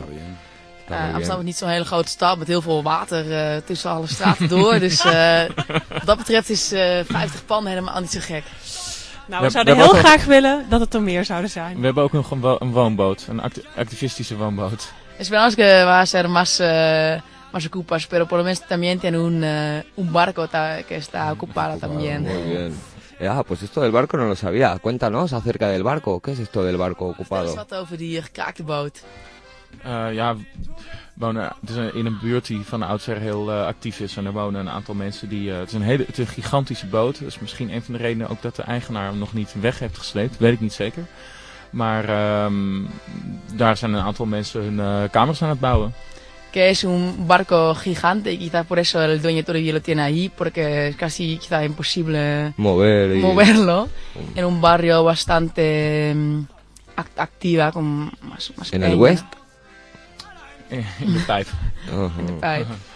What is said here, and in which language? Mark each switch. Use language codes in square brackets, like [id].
[es] Está bien. [nl] Amsterdam is niet zo'n hele grote stad met heel veel water tussen alle straten door. Dus wat dat betreft is 50 panden helemaal niet zo gek. Nou, we zouden graag willen dat het er meer zouden zijn. We hebben ook nog een woonboot, een activistische woonboot. [es] Es verdad que va a ser más ocupas, pero por lo menos también tiene un barco que está ocupado también. Muy bien. Ja, pues esto del barco no lo sabía. Cuéntanos acerca del barco. ¿Qué es esto del barco ocupado? [nl] Vertel eens wat over die gekraakte boot. In een buurt die van oudsher heel actief is. En er wonen een aantal mensen die... het is een gigantische boot. Dat is misschien een van de redenen ook dat de eigenaar hem nog niet weg heeft gesleept. Weet ik niet zeker. Maar daar zijn een aantal mensen hun kamers aan het bouwen. [es] Que es un barco gigante. Quizá por eso el dueño todavía lo tiene ahí. Porque es casi quizá imposible moverlo. En un barrio bastante activa. Con más en el West. [nl] In de pijp. Uh-huh. In de pijp.